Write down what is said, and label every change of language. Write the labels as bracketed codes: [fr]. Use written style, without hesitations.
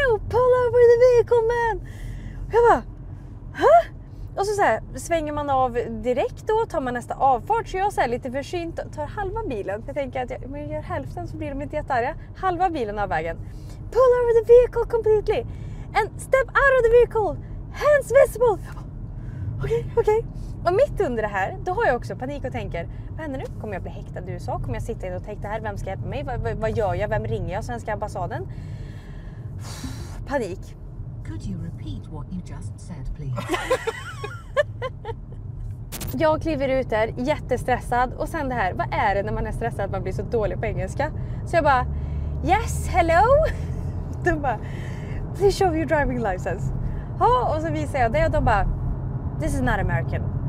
[en] Pull over the vehicle man. [sv] Jag bara, huh? Och så här, svänger man av direkt då, tar man nästa avfart. Så jag säger lite försynt och tar halva bilen. Jag tänker att om jag gör hälften så blir de inte jättearga. Halva bilen av vägen. [en] Pull over the vehicle completely. And step out of the vehicle. Hands visible. [sv] Okej. Och mitt under det här, då har jag också panik och tänker, vad händer nu? Kommer jag bli häktad i USA? Kommer jag sitta in och tänka, här, vem ska hjälpa mig? Vad gör jag? Vem ringer jag? Svenska ambassaden? Panik. [en] Could you repeat what you just said, please? [sv] Jag kliver ut där, jättestressad. Och sen det här, vad är det när man är stressad att man blir så dålig på engelska? Så jag bara, [en] yes, hello? [sv] De bara, [en] please show your driving license. [sv] Ja, och så visar jag det och de bara, [en] this is not American.